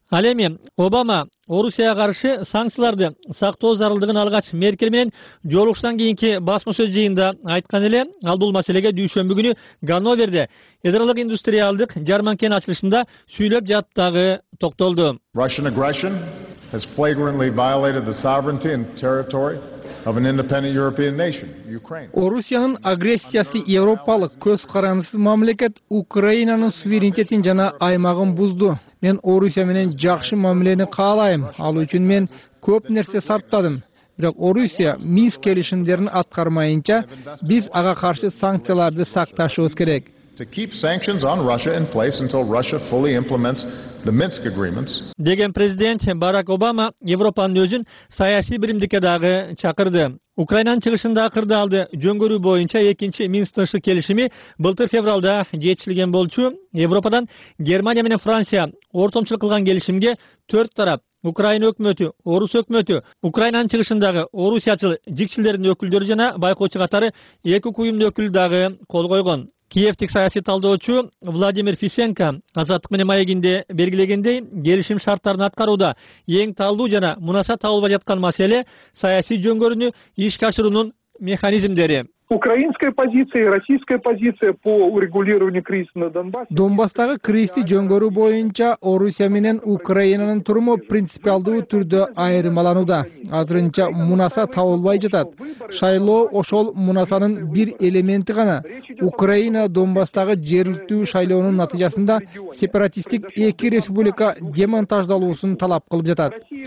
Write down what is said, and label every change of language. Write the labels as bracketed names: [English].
[Kyrgyz] Ал эми Обама Орусияга каршы санкцияларды сактоо зарылдыгын алгач Меркель менен жолугушуудан кийинки басма сөз жыйынында айткан эле, ал бул маселеге дүйшөмбү күнү Гановерде ядролук индустриалдык жарманканын ачылышында сүйлөп жатып дагы токтолду. [English] Russian aggression has flagrantly violated the sovereignty and territory of an independent European nation, Ukraine. [Kyrgyz] Орусиянын агрессиясы европалык көз карандысыз мамлекет Украинанын суверенитетин жана аймагын бузду. Мен Орусия менен жакшы мамилени каалайм. Ал үчүн мен көп нерсе сарптадым. Бирок Орусия Минск келишимдерин аткармайынча биз ага каршы санкцияларды сакташыбыз керек. [English] To keep sanctions on Russia in place until Russia fully implements the Minsk agreements. [Kyrgyz] Деген президент Барак Обама Европанын өзүн саясий биримдикке дагы чакырды. Украинанын чыгышында кырдаалды жөнгөрүү боюнча экинчи Минск тынчы келишими былтыр февралда жетишилген болчу. Европадан Германия менен Франция ортомчулук кылган келишимге 4 тарап Украина өкмөтү, Орус өкмөтү, Украинанын чыгышындагы Орусиячыл жикчилдердин өкүлдөрү жана байкоочу катары эки куюмдун өкүлү дагы кол койгон. Киевтик саясий талдоочу Владимир Фисенко Азаттык менен маегинде белгилегендей, келишим шарттарын аткарууда эң талдуу жана мунасат алып жаткан маселе саясий жөнгөрүнү ишке ашыруунун механизмдери. [Russian] Украинская позиция и российская позиция по урегулированию кризиса на Донбассе. [Kyrgyz] Донбасстагы кризисти жөнгөрүү боюнча Орусия менен Украинанын турму принципиалдуу түрдө айырмаланууда. Азырынча мунаса табылбай жатат. Шайлоо ошол мунасанын бир элементи гана. Украина Донбасстагы жергиликтүү шайлоонун натыйжасында сепаратисттик эки республика демонтаждалуусун талап кылып жатат.